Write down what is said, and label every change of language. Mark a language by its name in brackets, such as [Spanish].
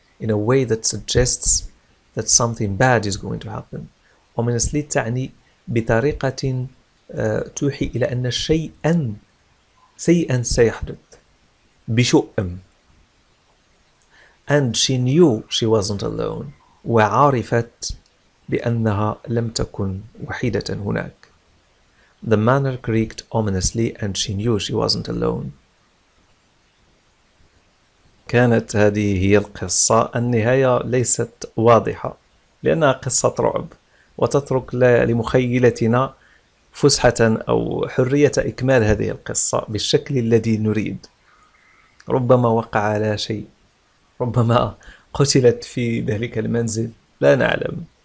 [English] In a way that suggests that something bad is going to happen. [Arabic] Ominously تعني بطريقة توحي إلى أن شيئا سيئا سيحدث. [English] بشؤم. And she knew she wasn't alone. [Arabic] وعرفت بأنها لم تكن وحيدة هناك. [English] The manor creaked ominously, and she knew she wasn't alone. [Arabic] كانت هذه هي القصة. النهاية ليست واضحة لأنها قصة رعب، وتترك لمخيلتنا فسحة أو حرية إكمال هذه القصة بالشكل الذي نريد. ربما وقع على شيء، ربما قتلت في ذلك المنزل، لا نعلم.